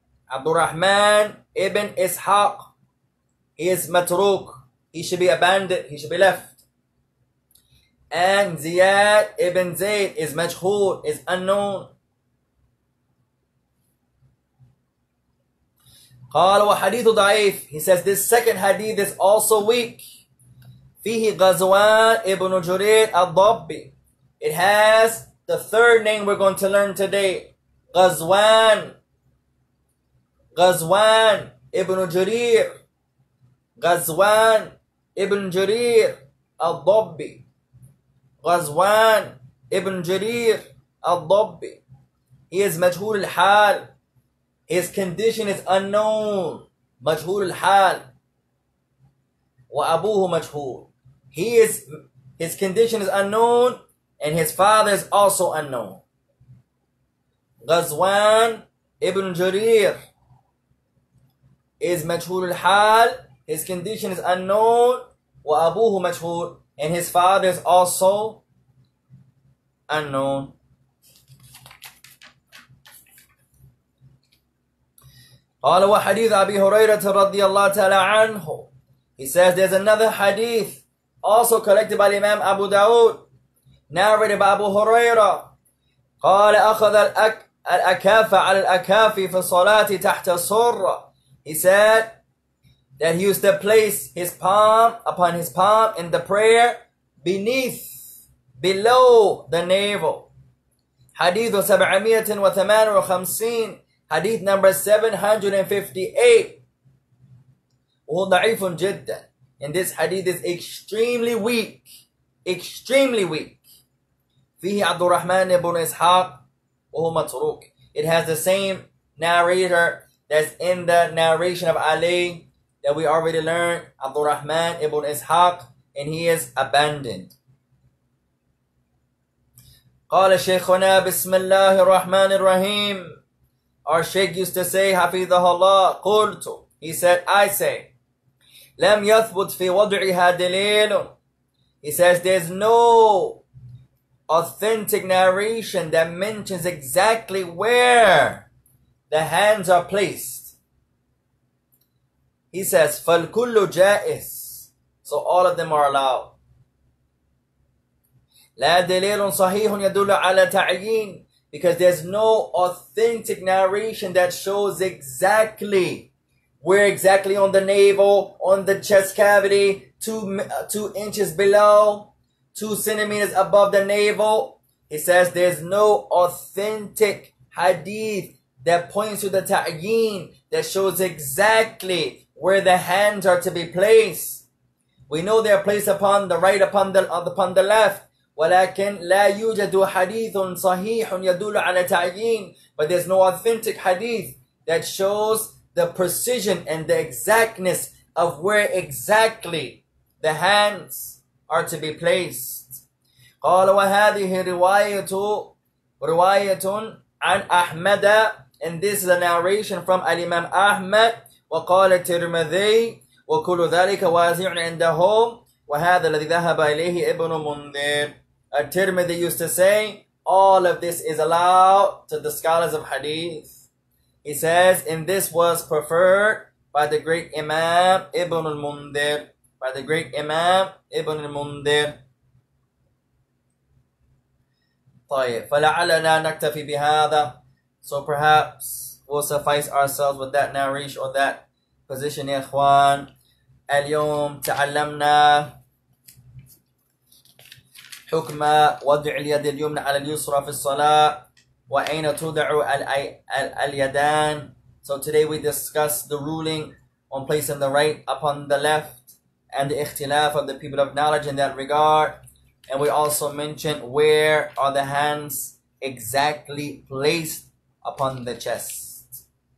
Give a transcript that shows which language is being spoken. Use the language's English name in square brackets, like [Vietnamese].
[English] عبد الرحمن ابن إسحاق. He is متروك. He should be abandoned. He should be left. And Ziyad ibn Zayd is majhul, is unknown. [Arabic] قال وحديث ضعيف. [English] He says this second hadith is also weak. [Arabic] فيه غزوان ابن جرير الضبي. [English] It has the third name we're going to learn today. [Arabic] غزوان. غزوان ابن جرير. غزوان ابن جرير الضبي. غزوان ابن جرير الضبي. [English] He is مجهول الحال. His condition is unknown. [Arabic] مجهول الحال. وأبوه مجهول. [English] His condition is unknown and his father is also unknown. [Arabic] غزوان ابن جرير is مجهول الحال. [English] His condition is unknown. [Arabic] وأبوه مجهول. [English] And his father is also unknown. [Arabic] قال وحديث أبي هريرة رضي الله تعالى عنه. [English] He says there's another hadith also collected by Imam Abu Dawood, narrated by Abu Huraira. [Arabic] قال أخذ الأكاف على الأكاف في الصلاة تحت السرة. [English] He said that he used to place his palm upon his palm in the prayer beneath, below the navel. Hadith 758. Hadith number 758. [Arabic] وضعيف جدا. [English] And this hadith is extremely weak. Extremely weak. [Arabic] فيه عبد الرحمن بن إسحاق وهو متروك. [English] It has the same narrator that's in the narration of Ali that we already learned, عبد الرحمن بن إسحاق, and he is abandoned. [Arabic] قال شيخنا بسم الله الرحمن الرحيم. [English] Our Sheikh used to say [Arabic] حفظه الله. قلت. [English] He said, I say. [Arabic] لم يثبت في وضعها دليل. [English] He says, there's no authentic narration that mentions exactly where the hands are placed. He says, [Arabic] فالكل جائز. [English] So all of them are allowed. [Arabic] لا دليل صحيح يدل على تعيين. [English] Because there's no authentic narration that shows exactly where exactly on the navel, on the chest cavity, two inches below, 2 centimeters above the navel. He says there's no authentic hadith that points to the ta'yin, that shows exactly where the hands are to be placed. We know they are placed upon the right, upon the left. [Arabic] ولكن لا يوجد حديث صحيح يدل على تعيين. [English] But there's no authentic hadith that shows the precision and the exactness of where exactly the hands are to be placed. [Arabic] قال وهذه رواية عن أحمد. [English] And this is a narration from Al-Imam Ahmad. [Arabic] وقال الترمذي وكل ذلك واسع عندهم وهذا الذي ذهب إليه ابن منذر. [English] At-Tirmidhi used to say, all of this is allowed to the scholars of hadith. He says, and this was preferred by the great Imam Ibn al-Mundhir. By the great Imam Ibn al-Mundhir. [Arabic] طيب, فَلَعَلَّنَا نَكْتَفِي بِهَذَا. [English] So perhaps we'll suffice ourselves with that narration or that position, [Arabic] يا إخوان. اليوم تعلمنا حكم وضع اليد اليمنى على اليسرى في الصلاة وأين تضع اليدان. [English] So today we discussed the ruling on placing the right upon the left and the اختلاف of the people of knowledge in that regard. And we also mentioned where are the hands exactly placed upon the chest.